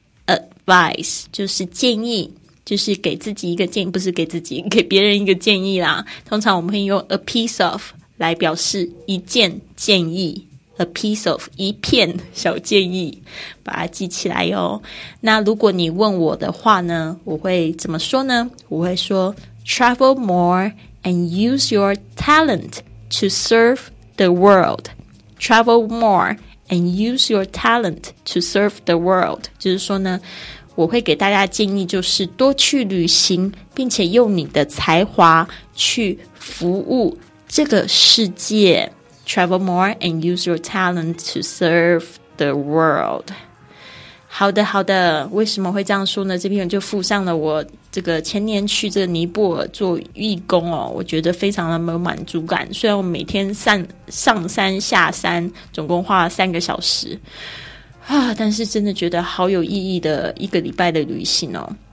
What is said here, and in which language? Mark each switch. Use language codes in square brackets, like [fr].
[zh] Advice, 就是建议，就是给自己一个建议，不是给自己，给别人一个建议啦。通常我们会用 a piece of 来表示一件建议。 A piece of, 一片小建议，把它记起来哦。那如果你问我的话呢，我会怎么说呢？我会说 [en] Travel more and use your talent to serve the world. Travel more and use your talent to serve the world. [zh] 就是说呢，我会给大家建议，就是多去旅行，并且用你的才华去服务这个世界。 [en] Travel more and use your talent to serve the world. [zh] 好的好的，为什么会这样说呢？这篇就附上了我这个前年去这个尼泊尔做义工哦，我觉得非常的没有满足感，虽然我每天上山下山总共花了三个小时啊，但是真的觉得好有意义的一个礼拜的旅行哦。